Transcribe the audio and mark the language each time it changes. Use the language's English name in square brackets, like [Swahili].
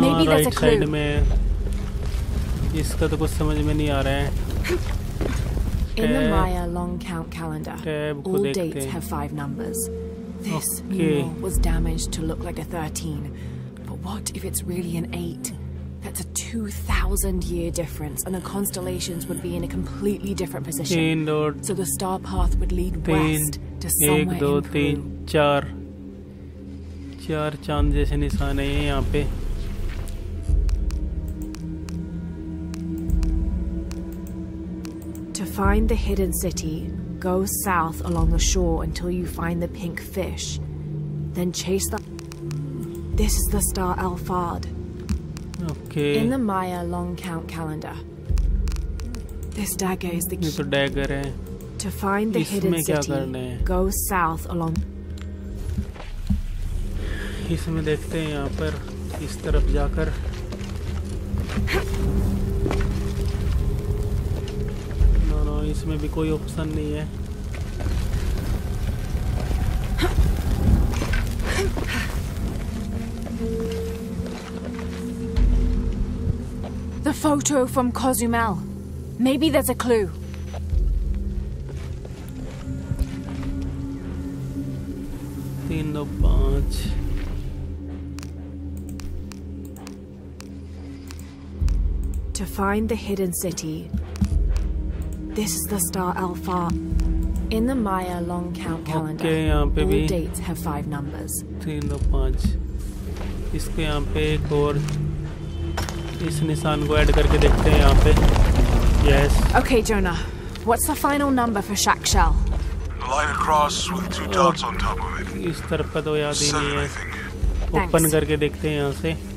[Hindi] Right side में। इसका तो कुछ समझ में नहीं आ रहा है। [English] In the Maya long count calendar all dates have five numbers. This was damaged to look like a 13, but what if it's really an 8? That's a 2,000 year difference, and the constellations would be in a completely different position. So the star path would lead west to somewhere in Peru. 1, 2, 3, 4. [Hindi] चार चांद जैसे निशान हैं यहाँ पे। [English] To find the hidden city, go south along the shore until you find the pink fish. Then chase the. This is the star Alfard. Okay. In the Maya long count calendar, this dagger is the key. [Hindi] ये तो dagger है। [English] To find the hidden city, go south along. [Hindi] इसमें देखते हैं यहाँ पर इस तरफ जाकर। नो, इसमें भी कोई ऑप्शन नहीं है। [English] Photo from Cozumel. Maybe there's a clue. Three, no, punch. To find the hidden city, this is the star Alpha. In the Maya long count calendar, okay, yeah, all dates have five numbers. Three, no, punch. [Hindi] इसके यहाँ पे एक और इस निशान को add करके देखते हैं यहाँ पे। [English] Yes. Okay Jonah, what's the final number for shekel? Line across with two dots on top of it. [Hindi] इस तरफ का तो याद ही नहीं है। ओपन करके देखते हैं यहाँ से।